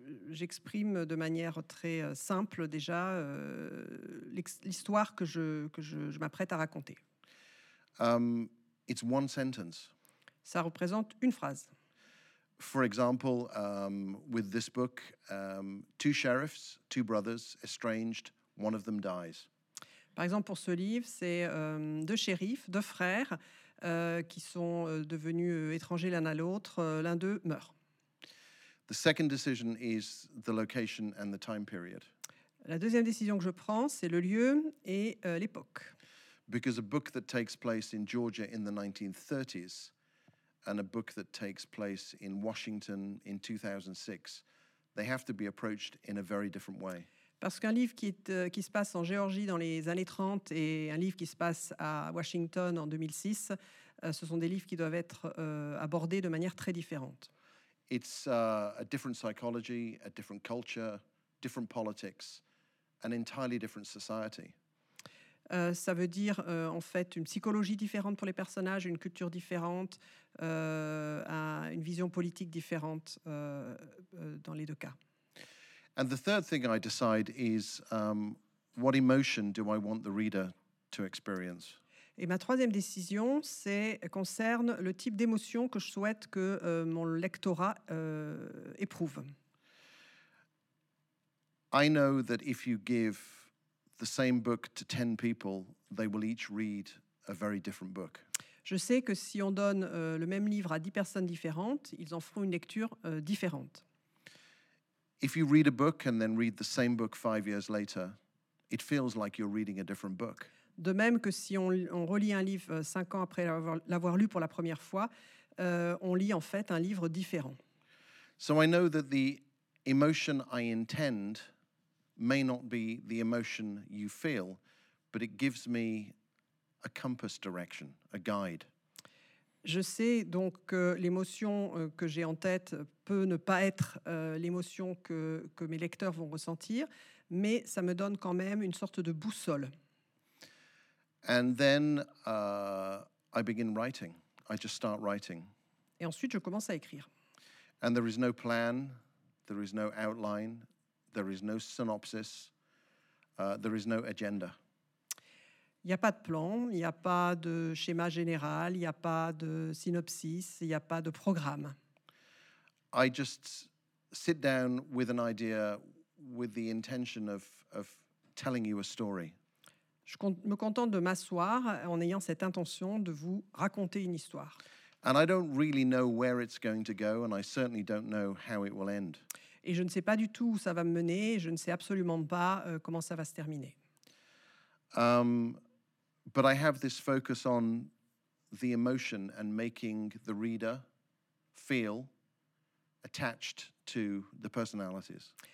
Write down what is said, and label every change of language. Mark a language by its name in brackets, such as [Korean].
[French] J'exprime de manière très simple déjà l'histoire que je m'apprête à raconter. [English] It's one sentence. [French] Ça représente une phrase. [English] For example, with this book, two sheriffs, two brothers, estranged, one of them dies. [French] Par exemple, pour ce livre, c'est deux shérifs, deux frères, qui sont devenus étrangers l'un à l'autre. L'un d'eux meurt. [English] The second decision is the location and the time period. [French] La deuxième décision que je prends, c'est le lieu et l'époque. [English] Because a book that takes place in Georgia in the 1930s and a book that takes place in Washington in 2006, they have to be approached in a very different way. [French] Parce qu'un livre qui se passe en Géorgie dans les années 30 et un livre qui se passe à Washington en 2006, ce sont des livres qui doivent être abordés de manière très différente. [English] It's a different psychology, a different culture, different politics, an entirely different society. [French] Ça veut dire en fait une psychologie différente pour les personnages, une culture différente, une vision politique différente dans les deux cas. [English] And the third thing I decide is what emotion do I want the reader to experience? [French] Et ma troisième décision concerne le type d'émotion que je souhaite que mon lectorat éprouve. [English] I know that if you give the same book to 10 people, they will each read a very different book. [French] Je sais que si on donne le même livre à 10 personnes différentes, ils en feront une lecture différente. [English] If you read a book and then read the same book 5 years later, it feels like you're reading a different book. [French] De même que si on relit un livre 5 ans après l'avoir lu pour la première fois, on lit en fait un livre différent. [English] So I know that the emotion I intend may not be the emotion you feel, but it gives me a compass direction, a guide. [French] Je sais donc que l'émotion que j'ai en tête peut ne pas être l'émotion que mes lecteurs vont ressentir, mais ça me donne quand même une sorte de boussole. [English] And then I begin writing. I just start writing. [French] Et ensuite, je commence à écrire. [English] And there is no plan, there is no outline, there is no synopsis, there is no agenda. [French] Il n'y a pas de plan, il n'y a pas de schéma général, il n'y a pas de synopsis, il n'y a pas de programme. [English] I just sit down with an idea with the intention of telling you a story. [French] Je me contente de m'asseoir en ayant cette intention de vous raconter une histoire. [English] And I don't really know where it's going to go and I certainly don't know how it will end. [French] Et je ne sais pas du tout où ça va me mener, je ne sais absolument pas comment ça va se terminer. [English] But I have this focus on the emotion and making the reader feel attached to the personalities.